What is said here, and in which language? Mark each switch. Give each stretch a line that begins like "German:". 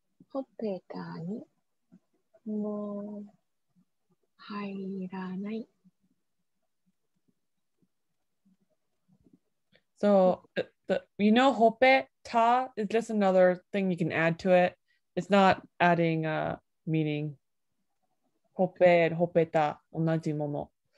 Japanese: ほっぺたに、もう、入らない。
English: So, you know, ほっぺた is just another thing you can add to it. It's not adding a meaning.
Japanese: ほっぺ、ほっぺた、同じもの。